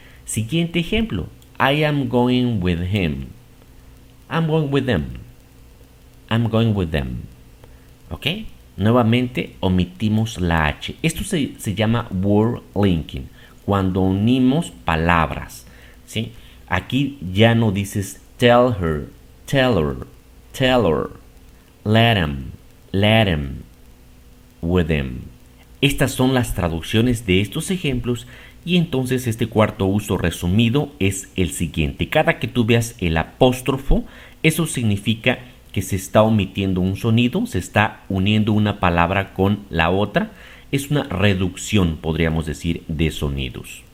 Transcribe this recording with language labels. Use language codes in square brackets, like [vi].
[es] Siguiente ejemplo. [en] I am going with him. I'm going with them. I'm going with them. ¿Ok? [es] Nuevamente omitimos la H. Esto se llama word linking. Cuando unimos palabras. ¿Sí? Aquí ya no dices [en] tell her, tell her, tell her. Let him, let him. With him. [es] Estas son las traducciones de estos ejemplos y entonces este cuarto uso resumido es el siguiente. Cada que tú veas el apóstrofo, eso significa que se está omitiendo un sonido, se está uniendo una palabra con la otra. Es una reducción, podríamos decir, de sonidos.